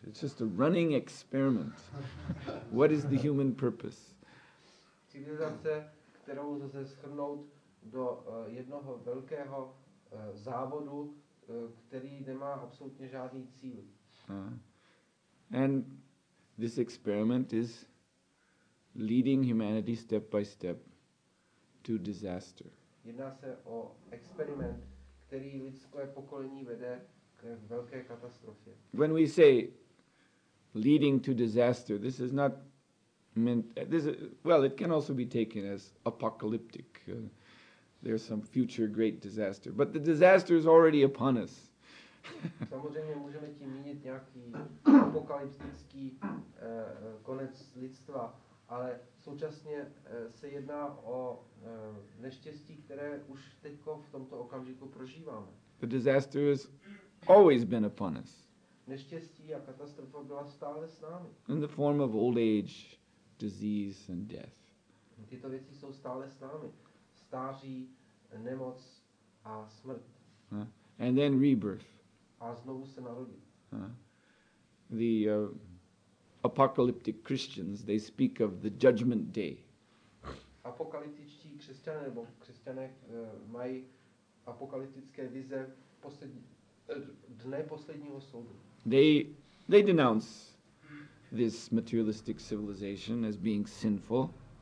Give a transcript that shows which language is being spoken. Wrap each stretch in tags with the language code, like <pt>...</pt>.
<en>It's just a running experiment. What is the human purpose?</en> <cs>Civilizace, kterou lze shrnout do jednoho velkého závodu, který nemá absolutně žádný cíl.</cs> <en>And this experiment is leading humanity step by step to disaster.</en> <cs>Jedná se o experiment, který lidské pokolení vede k velké katastrofě.</cs> <en>When we say leading to disaster, this is not meant, this is, well, it can also be taken as apocalyptic. There's some future great disaster, but the disaster is already upon us.</en> <cs>Samozřejmě můžeme tím mínit nějaký apokalyptický konec lidstva, ale současně se jedná o neštěstí, které už teďko v tomto okamžiku prožíváme.</cs> <en>The disaster has always been upon us.</en> <cs>Neštěstí a katastrofa byla stále s námi.</cs> <en>In the form of old age, disease and death.</en> <cs>Tyto věci jsou stále s námi. Stáří, nemoc a smrt.</cs> <en>And then rebirth.</en> <cs>A znovu se narodí.</cs> <en>The apocalyptic Christians, they speak of the judgment day.</en> <cs>Apokalyptičtí křesťané nebo křesťané mají apokalyptické vize dne posledního soudu.</cs> <en>They denounce this materialistic civilization as being sinful.</en>